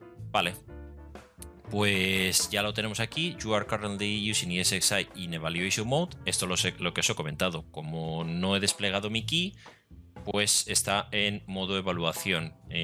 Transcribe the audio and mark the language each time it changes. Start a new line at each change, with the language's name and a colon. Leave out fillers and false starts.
Spanish: Vale, pues ya lo tenemos aquí.
English: You are currently using ESXi in evaluation mode.
Spanish: Esto lo que os he comentado. Como no he desplegado mi key, pues está en modo evaluación.